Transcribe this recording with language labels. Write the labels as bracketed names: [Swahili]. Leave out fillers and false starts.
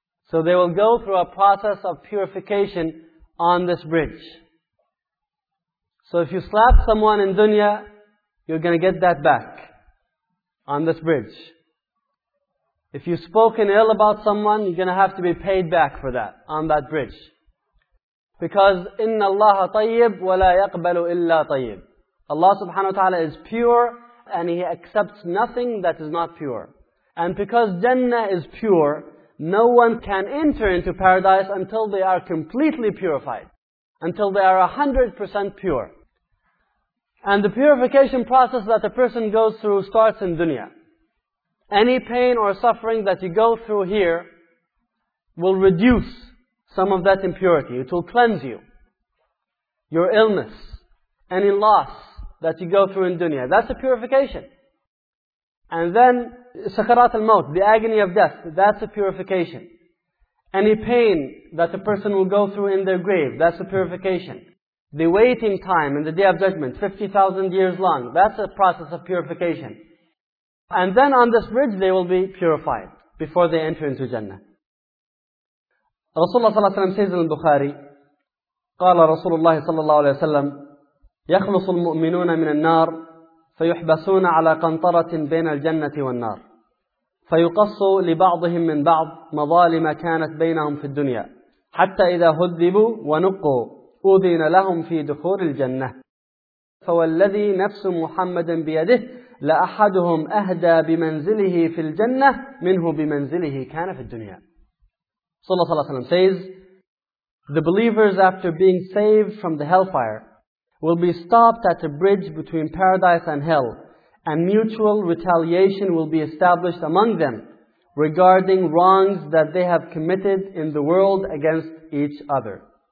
[English] So they will go through a process of purification on this bridge. So if you slap someone in dunya, you're going to get that back on this bridge. If you've spoken ill about someone, you're going to have to be paid back for that on that bridge. Because [Arabic] إِنَّ اللَّهَ طَيِّبْ وَلَا يَقْبَلُ إِلَّا طَيِّبْ. [English] Allah subhanahu wa ta'ala is pure and He accepts nothing that is not pure. And because Jannah is pure, no one can enter into paradise until they are completely purified. Until they are 100% pure. And the purification process that a person goes through starts in dunya. Any pain or suffering that you go through here will reduce some of that impurity. It will cleanse you. Your illness, any loss that you go through in dunya, that's a purification. And then sakarat al-maut, the agony of death, that's a purification. Any pain that a person will go through in their grave, that's a purification. The waiting time in the Day of Judgment, 50,000 years long, that's a process of purification. And then on this bridge, they will be purified before they enter into Jannah. [Arabic] Rasulullah صلى الله عليه وسلم [English] says in Bukhari, [Arabic] قال رسول الله صلى الله عليه وسلم يخلص المؤمنون من النار فيحبسون على قنطرة بين الجنة والنار فيقص لبعضهم من بعض مظالم كانت بينهم في الدنيا حتى إذا هذبوا ونقوا أذن لهم في دخول الجنة فوالذي نفس محمد بيده لأحدهم أهدى بمنزله في الجنة منه بمنزله كان في الدنيا. [English] Sallallahu Alaihi Wasallam says, the believers after being saved from the hellfire will be stopped at a bridge between paradise and hell, and mutual retaliation will be established among them regarding wrongs that they have committed in the world against each other.